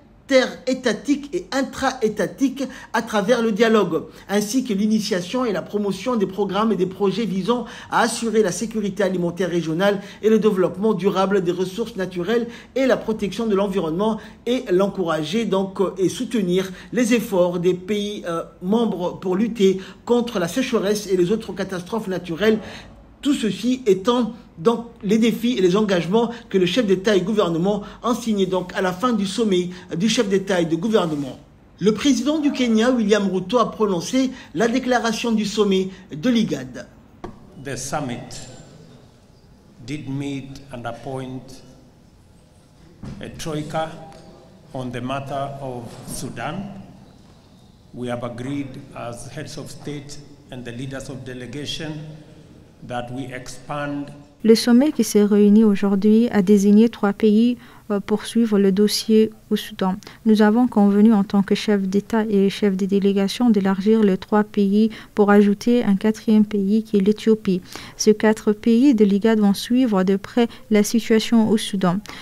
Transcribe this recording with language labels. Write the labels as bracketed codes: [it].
[fr] interétatiques et intraétatiques à travers le dialogue, ainsi que l'initiation et la promotion des programmes et des projets visant à assurer la sécurité alimentaire régionale et le développement durable des ressources naturelles et la protection de l'environnement, et l'encourager donc et soutenir les efforts des pays membres pour lutter contre la sécheresse et les autres catastrophes naturelles, tout ceci étant donc les défis et les engagements que le chef d'État et gouvernement ont signés donc à la fin du sommet du chef d'État et de gouvernement. Le président du Kenya, William Ruto, a prononcé la déclaration du sommet de l'IGAD. [en] The summit did meet and appoint a troika on the matter of Sudan. We have agreed as heads of state and the leaders of delegation that we expand. [fr] Le sommet qui s'est réuni aujourd'hui a désigné trois pays pour suivre le dossier au Soudan. Nous avons convenu en tant que chef d'État et chef de délégation d'élargir les trois pays pour ajouter un quatrième pays qui est l'Éthiopie. Ces quatre pays de l'IGAD vont suivre de près la situation au Soudan.